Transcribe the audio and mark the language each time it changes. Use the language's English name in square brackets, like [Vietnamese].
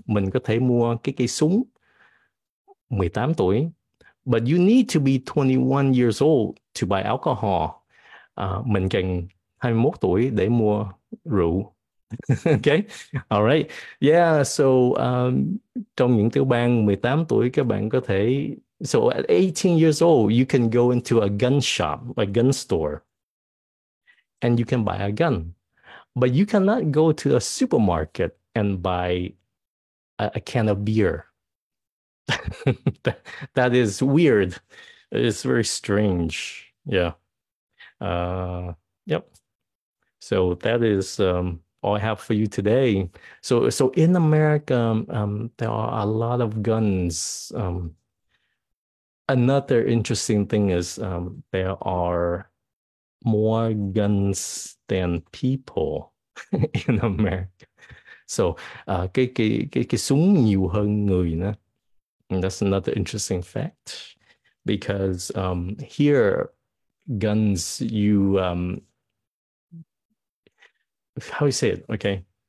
[Vietnamese] Mình có thể mua cái súng 18 tuổi. [English] But you need to be 21 years old to buy alcohol. [Vietnamese] Mình cần 21 tuổi để mua rượu. [English] Okay, all right. Yeah, so [Vietnamese] trong những tiểu bang 18 tuổi các bạn có thể, [English] so at 18 years old you can go into a gun shop, a gun store, and you can buy a gun. But you cannot go to a supermarket and buy a can of beer. That is weird. It's very strange. Yeah. Yep. So that is all I have for you today. So in America, there are a lot of guns. Another interesting thing is there are more guns than people in America. [Vietnamese] So cái súng nhiều hơn người nữa. [English] That's another interesting fact, because here guns, you how you say it, okay,